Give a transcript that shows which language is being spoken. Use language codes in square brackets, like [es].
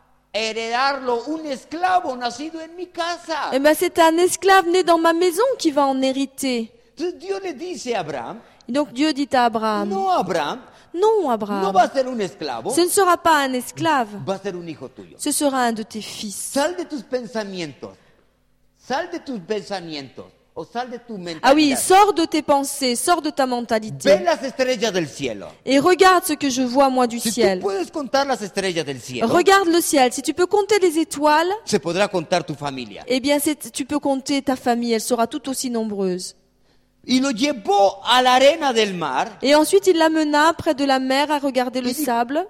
[es] heredarlo, un esclavo nacido en mi casa. [fr] Et ben c'est un esclave né dans ma maison qui va en hériter. Dieu le dit à Abraham. Donc Dieu dit à Abraham. Non Abraham. Non Abraham. [es] No va a ser un esclavo. [fr] Ce ne sera pas un esclave. [es] Va a ser un hijo tuyo. [fr] Ce sera un de tes fils. [es] Sal de tus pensamientos. Sal de tus pensamientos. O sal de tu mentalidad. [fr] Ah oui, sors de tes pensées, sors de ta mentalité. [es] Ve las estrellas del cielo. [fr] Et regarde ce que je vois moi du si ciel. [es] Tú puedes contar las estrellas del cielo, [fr] regarde le ciel, si tu peux compter les étoiles, [es] se podrá contar tu familia. [fr] Eh bien, tu peux compter ta famille, elle sera tout aussi nombreuse. [es] Y lo llevó a la arena del mar. [fr] Et ensuite, il l'amena près de la mer à regarder le sable.